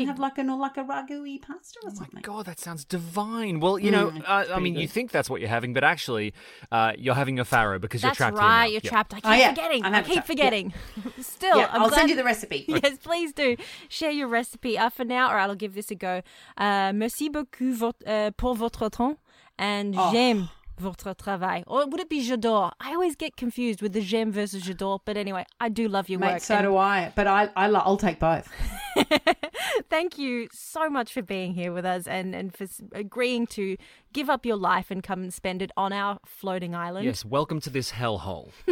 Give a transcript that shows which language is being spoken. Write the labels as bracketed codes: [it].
[en] And have like a ragu-y pasta or something. Oh my God, that sounds divine. Well, you know, I mean, good. You think that's what you're having, but actually you're having a farro because that's you're trapped right, here now. You're trapped. I keep forgetting. Yeah. Still. Yeah, I'll send you the recipe. Yes, please do. Share your recipe for now, or I'll give this a go. [fr] Merci beaucoup pour votre temps and j'aime votre travail. [en] Or would it be j'adore? I always get confused with the j'aime versus j'adore, but anyway, I do love your mate, work. So do I, but I'll take both. Thank you so much for being here with us and for agreeing to give up your life and come and spend it on our floating island. Yes, welcome to this hellhole.